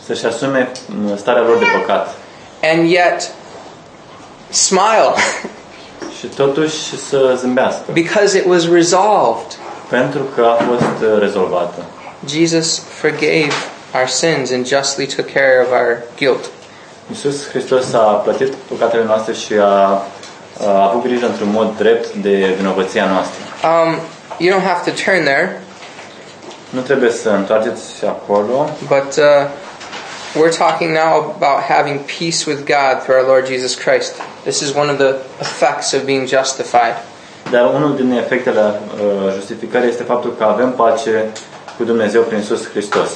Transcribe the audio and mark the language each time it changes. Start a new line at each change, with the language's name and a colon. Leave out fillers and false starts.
Romanian: Să-și asume starea lor de păcat.
English: And yet smile.
Romanian: Și totuși să zâmbească.
English: Because it was resolved.
Romanian: Pentru că a fost rezolvată.
English: Jesus forgave our sins and justly took care of our guilt.
Romanian: Iisus Hristos a plătit păcatele noastre și a avut grijă într-un mod drept de vinovăția noastră.
English: You don't have to turn there.
Romanian: Nu trebuie să întoarceți acolo.
English: But we're talking now about having peace with God through our Lord Jesus Christ. This is one of the effects of being justified.
Romanian: Dar unul din efectele justificării este faptul că avem pace cu Dumnezeu prin Iisus Hristos.